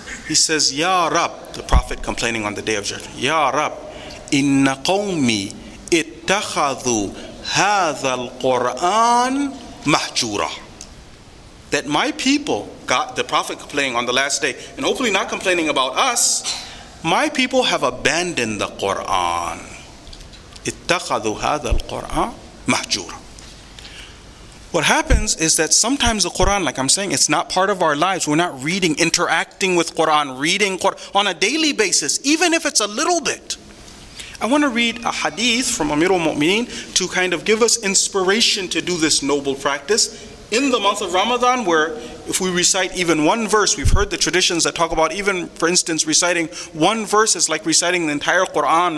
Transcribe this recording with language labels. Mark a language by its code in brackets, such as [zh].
[en] He says, Ya Rab, the Prophet complaining on the Day of Judgment, Ya Rab, [ar] inna qawmi ittakhadhu hadha al-Qur'an mahjura. [en] That my people, God, the Prophet complaining on the last day, and hopefully not complaining about us, my people have abandoned the Qur'an. [ar] اتخذوا هذا القرآن مهجورا. [en] What happens is that sometimes the Qur'an, like I'm saying, it's not part of our lives. We're not reading, interacting with Qur'an, reading Qur'an on a daily basis, even if it's a little bit. I want to read a hadith from Amir al-Mu'mineen to kind of give us inspiration to do this noble practice in the month of Ramadan, where if we recite even one verse, we've heard the traditions that talk about even, for instance, reciting one verse is like reciting the entire Quran.